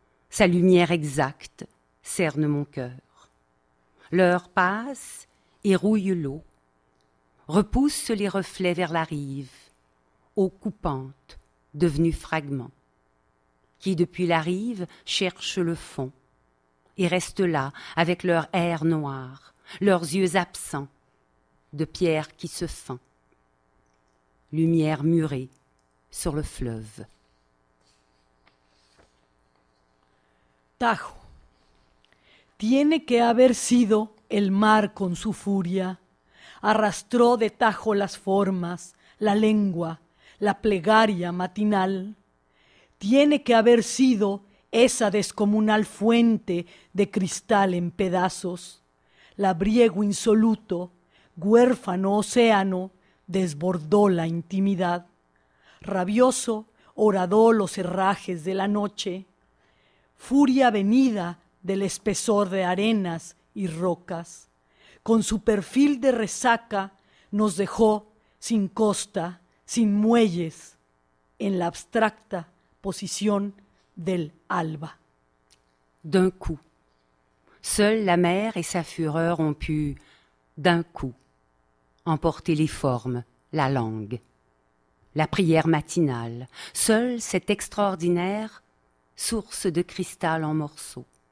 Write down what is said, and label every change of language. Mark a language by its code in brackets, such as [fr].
[fr] Sa lumière exacte cerne mon cœur. L'heure passe et rouille l'eau, repousse les reflets vers la rive, eau coupante devenue fragment, qui depuis la rive cherche le fond. Ils restent là avec leur air noir, leurs yeux absents, de pierre qui se fend. Lumière murée sur le fleuve. [es] Tajo. Tiene que haber sido el mar con su furia arrastró de tajo las formas, la lengua, la plegaria matinal. Tiene que haber sido esa descomunal fuente de cristal en pedazos, labriego insoluto, huérfano océano, desbordó la intimidad. Rabioso horadó los herrajes de la noche, furia venida del espesor de arenas y rocas. Con su perfil de resaca nos dejó sin costa, sin muelles, en la abstracta posición del alba. [fr] D'un coup, seule la mer et sa fureur ont pu, d'un coup, emporter les formes, la langue, la prière matinale, seule cette extraordinaire source de cristal en morceaux.